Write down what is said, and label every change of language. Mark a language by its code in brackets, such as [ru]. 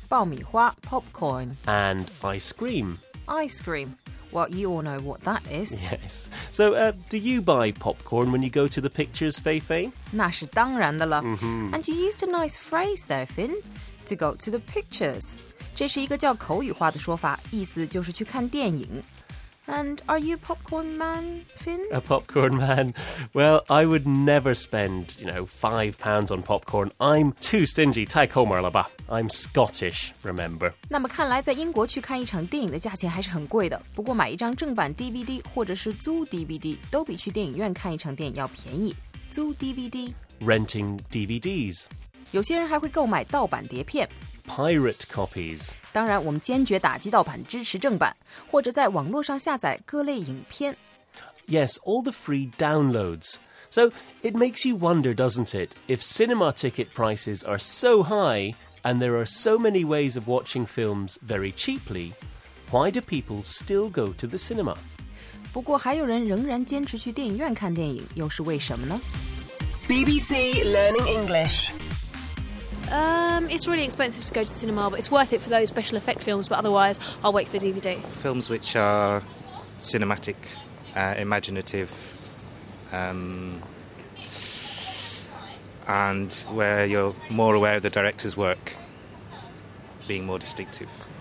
[zh] 爆米花 popcorn. [en] And ice cream. Ice cream. Well, you all know what that is. Yes. So, do you buy popcorn when you go to the pictures, Feifei? [zh] 那是当然的了。 [en] And you used a nice phrase there, Finn, to go to the pictures. [zh] 这是一个叫口语化的说法，意思就是去看电影。 [en] And are you a popcorn man, Finn? A popcorn man? Well, I would never spend, you know, £5 on popcorn. I'm too stingy. [zh] 太抠门了吧。 [en] I'm Scottish, remember. [zh] 那么看来在英国去看一场电影的价钱还是很贵的。不过买一张正版 DVD 或者是租 DVD 都比去电影院看一场电影要便宜。租 DVD? [en] Renting DVDs. [zh] 有些人还会购买盗版碟片。 [en] Pirate copies. [zh] 当然我们坚决打击盗版支持正版或者在网络上下载各类影片 [en] Yes, all the free downloads. So, it makes you wonder, doesn't it, if cinema ticket prices are so high and there are so many ways of watching films very cheaply, why do people still go to the cinema? [zh] 不过还有人仍然坚持去电影院看电影又是为什么呢 [en] BBC Learning English It's really expensive to go to the cinema, but it's worth it for those special effect films, but otherwise I'll wait for DVD. Films which are cinematic, imaginative, and where you're more aware of the director's work being more distinctive.